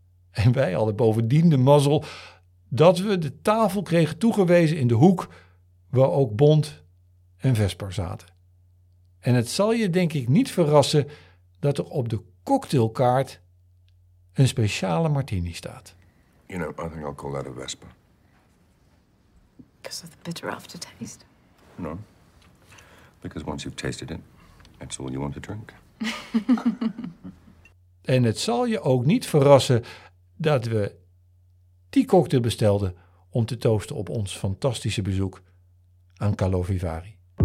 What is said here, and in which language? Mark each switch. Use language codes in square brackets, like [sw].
[nl] En wij hadden bovendien de mazzel dat we de tafel kregen toegewezen in de hoek waar ook Bond en Vesper zaten. En het zal je denk ik niet verrassen dat er op de cocktailkaart een speciale martini staat. [en] You know, I think I'll call that a Vesper. Because of the bitter aftertaste. No. Because once you've tasted it, that's all you want to drink. [nl] En het zal je ook niet verrassen dat we die cocktail bestelden om te toosten op ons fantastische bezoek aan Carlo Vivari.